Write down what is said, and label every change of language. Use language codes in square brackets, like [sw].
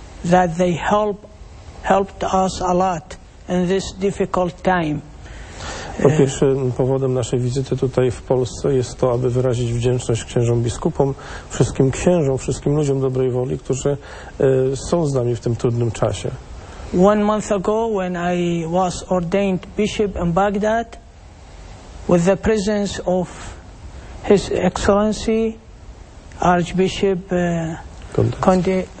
[en] That they helped us a lot in this difficult time. [pl] Po pierwsze, powodem naszej wizyty tutaj w Polsce jest to, aby wyrazić wdzięczność księżom biskupom, wszystkim księżom, wszystkim ludziom dobrej woli, którzy są z nami w tym trudnym czasie. [en] 1 month ago, when I was ordained bishop in Baghdad, with the presence of His Excellency Archbishop Condé.